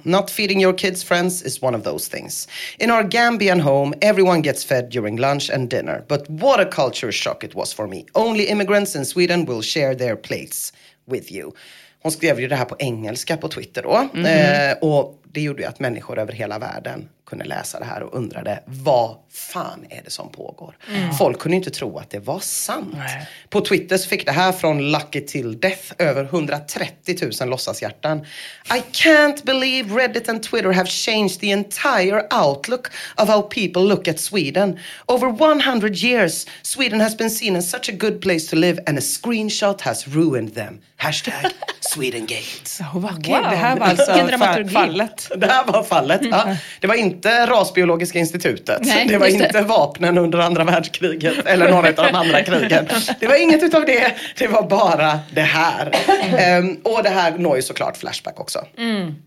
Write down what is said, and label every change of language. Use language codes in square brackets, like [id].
[en] Not feeding your kids friends is one of those things. In our Gambian home, everyone gets fed during lunch and dinner. But what a culture shock it was for me. Only immigrants in Sweden will share their plates with you. [sv] Hon skrev ju det här på engelska på Twitter då. Mm-hmm. Och det gjorde ju att människor över hela världen kunde läsa det här och undrade, vad fan är det som pågår? Mm. Folk kunde inte tro att det var sant. Nej. På Twitter så fick det här från Lucky Till Death över 130 000 låtsashjärtan. [en] I can't believe Reddit and Twitter have changed the entire outlook of how people look at Sweden. Over 100 years, Sweden has been seen as such a good place to live and a screenshot has ruined them. Hashtag Swedengate. [sv] Det här var alltså fallet. Det här var fallet, ja. Det var inte rasbiologiska institutet. Nej, det var inte vapnen under andra världskriget eller några av de andra krigen. Det var inget utav det. Det var bara det här. Och det här når ju såklart Flashback också. Mm.